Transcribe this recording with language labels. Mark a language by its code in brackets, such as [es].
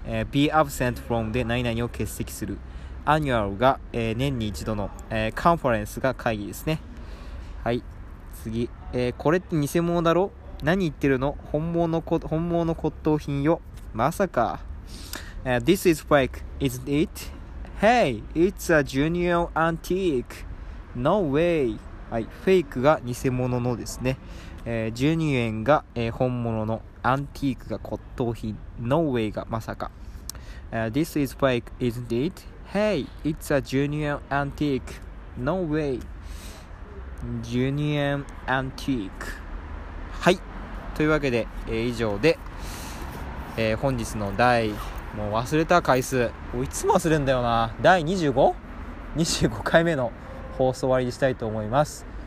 [en] Be absent from [ja] で何々を欠席する。Annual が、年に一度の、Conference が会議ですね。はい、次、これって偽物だろ、何言ってるの、本物の骨董品よ、まさか。 [en] This is fake, isn't it? Hey, it's a genuine antique. No way. [ja] はい、fake が偽物のですね、genuine が、本物の、アンティークが骨董品、 [en] No way [ja] がまさか。 [en] This is fake, isn't it? Hey, it's a genuine antique. No way. Genuine antique. [ja] はい、というわけで、以上で、本日の第、もう忘れた回数、いつも忘れんだよな、第 25回目の放送終わりにしたいと思います。